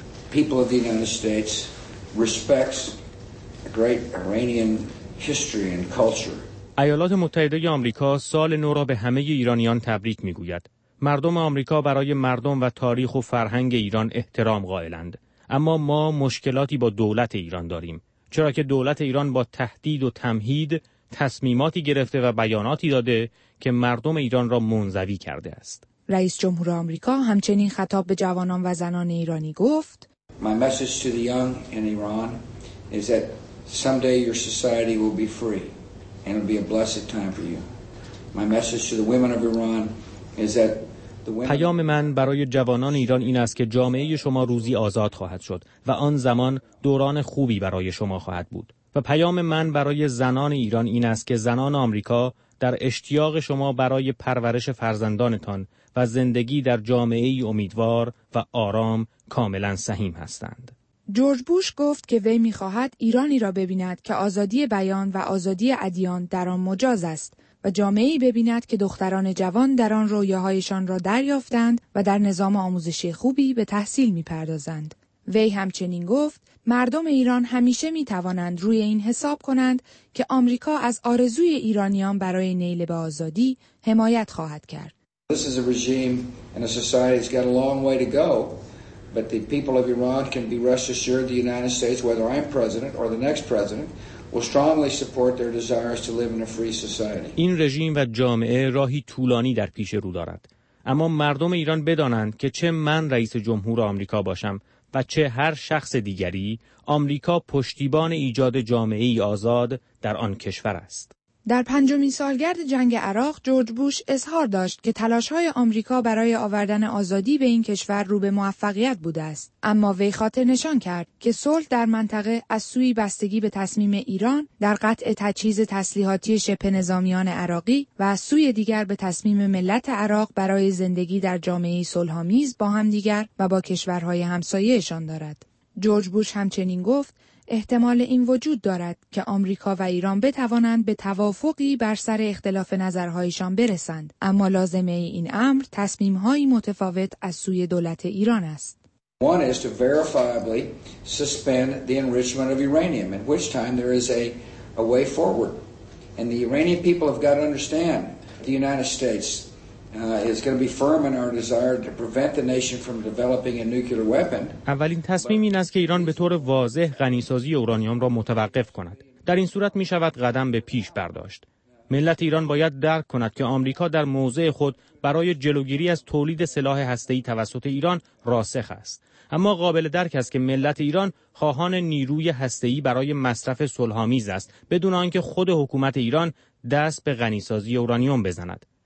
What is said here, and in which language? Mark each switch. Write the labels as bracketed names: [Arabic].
[English] People of the United States respects great Iranian history and culture. [Persian] ایالات متحده آمریکا سال نو را به همه ایرانیان تبریک می‌گوید. مردم آمریکا برای مردم و تاریخ و فرهنگ ایران احترام قائلند. اما ما مشکلاتی با دولت ایران داریم، چرا که دولت ایران با تهدید و تمهید تصمیماتی گرفته و بیاناتی داده که مردم ایران را منزوی کرده است. رئیس جمهور آمریکا همچنین خطاب به جوانان و زنان ایرانی گفت: [English] My message to the young in Iran is that someday your society will be free and it'll be a blessed time for you. My message to the women of Iran is that [Persian] پیام من برای جوانان ایران این است که جامعه شما روزی آزاد خواهد شد و آن زمان دوران خوبی برای شما خواهد بود. و پیام من برای زنان ایران این است که زنان آمریکا در اشتیاق شما برای پرورش فرزندانتان و زندگی در جامعه ای امیدوار و آرام کاملا سهیم هستند. جورج بوش گفت که وی می‌خواهد ایرانی را ببیند که آزادی بیان و آزادی ادیان در آن مجاز است و جامعه‌ای ببیند که دختران جوان در آن رویاهایشان را دریافتند و در نظام آموزشی خوبی به تحصیل می‌پردازند. وی همچنین گفت مردم ایران همیشه می‌توانند روی این حساب کنند که آمریکا از آرزوی ایرانیان برای نیل به آزادی حمایت خواهد کرد. [English] This is a regime and a society that's got a long way to go, but the people of Iran can be rest assured the United States, whether I'm president or the next president, will strongly support their desires to live in a free society. [Persian] این رژیم و جامعه راهی طولانی در پیش رو دارد، اما مردم ایران بدانند که چه من رئیس جمهور آمریکا باشم و چه هر شخص دیگری، آمریکا پشتیبان ایجاد جامعه‌ای آزاد در آن کشور است. در پنجمین سالگرد جنگ عراق، جورج بوش اظهار داشت که تلاش‌های آمریکا برای آوردن آزادی به این کشور رو به موفقیت بوده است، اما وی خاطر نشان کرد که صلح در منطقه از سوی بستگی به تصمیم ایران در قطع تجهیز تسلیحاتی شبه نظامیان عراقی و از سوی دیگر به تصمیم ملت عراق برای زندگی در جامعه صلح‌آمیز با هم دیگر و با کشورهای همسایه‌شان دارد. جورج بوش همچنین گفت احتمال این وجود دارد که آمریکا و ایران بتوانند به توافقی بر سر اختلاف نظرهایشان برسند، اما لازمه این امر تصمیم‌های متفاوت از سوی دولت ایران است. [English] One is to verifiably suspend the enrichment of uranium, at which time there is a way forward. And the Iranian people have got to understand the United States is going to be firm in our desire to prevent the nation from developing a nuclear weapon. [Persian] اولین تصمیم این است که ایران به طور واضح غنی‌سازی اورانیوم را متوقف کند. در این صورت می‌شود قدم به پیش برداشت. ملت ایران باید درک کند که آمریکا در موضع خود برای جلوگیری از تولید سلاح هسته‌ای توسط ایران راسخ است. اما قابل درک است که ملت ایران خواهان نیروی هسته‌ای برای مصرف صلح‌آمیز است، بدون آنکه خود حکومت ایران دست به غنی‌سازی اورانیوم بزند.